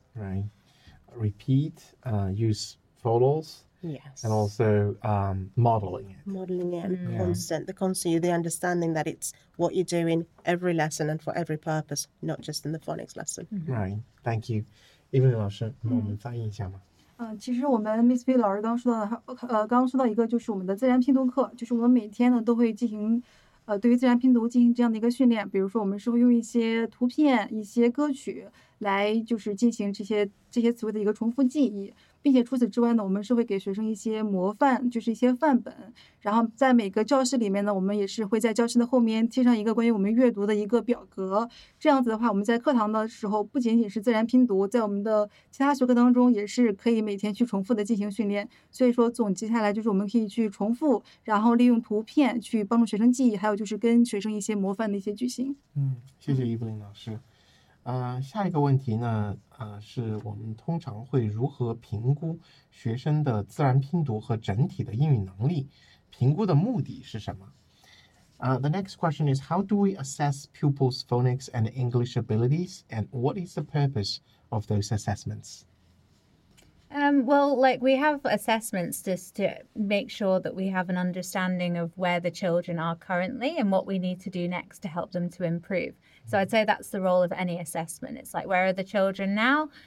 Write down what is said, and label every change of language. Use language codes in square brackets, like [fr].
[en] Right. Repeat, use vowels. Yes. And also modeling it. Modeling it and constant, the understanding that it's what you're doing every lesson and for every purpose, not just in the phonics lesson. Right. Thank you. [zh] Evelyn 老师，我们翻译一下吗？其实我们 Miss V 老师刚刚说到一个就是我们的自然拼读课，就是我们每天呢都会进行对于自然拼读进行这样的一个训练，比如说我们是会用一些图片、一些歌曲来就是进行这些词汇的一个重复记忆。并且除此之外呢，我们是会给学生一些模范，就是一些范本。然后在每个教室里面呢，我们也是会在教室的后面贴上一个关于我们阅读的一个表格。这样子的话，我们在课堂的时候不仅仅是自然拼读，在我们的其他学科当中也是可以每天去重复的进行训练。所以说总结下来就是我们可以去重复，然后利用图片去帮助学生记忆，还有就是跟学生一些模范的一些句型。嗯，谢谢伊布林老师。下一个问题呢，是我们通常会如何评估学生的自然拼读和整体的英语能力？评估的目的是什么？ [en] The next question is, how do we assess pupils' phonics and English abilities, and what is the purpose of those assessments? Well, we have assessments just to make sure that we have an understanding of where the children are currently and what we need to do next to help them to improve. So I'd say that's the role of any assessment. It's like, where are the children now?